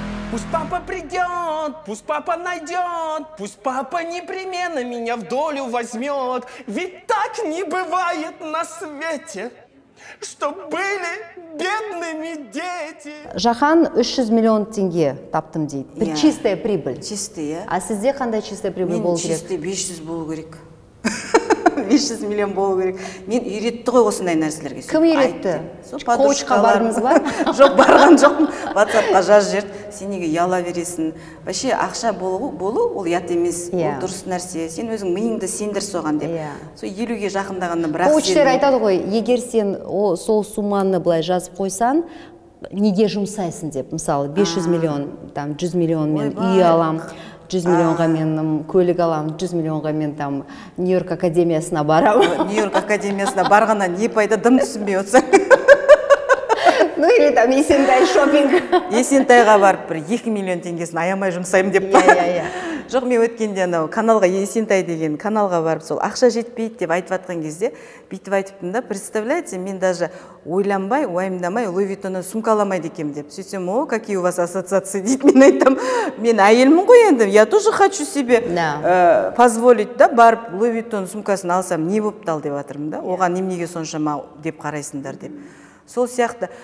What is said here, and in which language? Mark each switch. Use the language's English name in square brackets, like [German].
[Russian] Пусть папа придет, пусть папа найдет, пусть папа непременно меня в долю возьмет. Ведь так не бывает на свете, чтоб были бедными дети. [Kazakh] Жахан 300 миллион теңге таптым дейді. [Russian] Бір чистая прибыль. Чистая. [Kazakh] А сізде қандай [Russian] чистая прибыль [Kazakh] болу керек? Мен чистый 500 болу керек. 500 миллион болу керек. Мен үйретті ғой осындай нәрселерге. Кім үйретті? Коучқа бардыңыз ба? Жоқ, барған жоқпын. WhatsApp-қа жазып жіберді. Сен неге ұяла бересің? Вообще ақша болу ол ұят емес. Ол дұрыс нәрсе. Сен өзің миыңды сендір соған деп. Сол 50-ге жақындағанда бірақ коучтер айтады ғой, егер сен сол сумманы былай жазып қойсаң, неге жұмсайсың деп. Мысалы 500 миллион, 100 миллионмен үй аламын. 100 миллионға менім көлік аламын, 100 миллионға мен там Нью-Йорк академиясына барамын. Нью-Йорк академиясына барғаннан не пайда, дым түсінбей отырсаң. [Russian] Ну или там Есентай шопинг. [Kazakh] Есентайға барып бір 2 миллион теңгесін аямай жұмсаймын деп. Иә, иә, иә. Жоқ, мен өткенде анау каналға, Есентай деген каналға барып, сол ақша жетпейді деп айтып жатқан кезде, бүйтіп айтыппын да, [Russian] представляете, [Kazakh] мен даже ойланбай, уайымдамай, Louis Vuitton-ны сумка аламайды екем деп. Сөйтсем, [Russian] о, какие у вас ассоциации [Kazakh] дейді, мен айтам, мен әйелмін ғой енді, [Russian] я тоже хочу себе позволить, да, [Kazakh] барып Louis Vuitton сумкасын алсам, не бопты ал деп жатырмын да, оған немнеге соншама деп қарайсыңдар деп. Сол сияқты.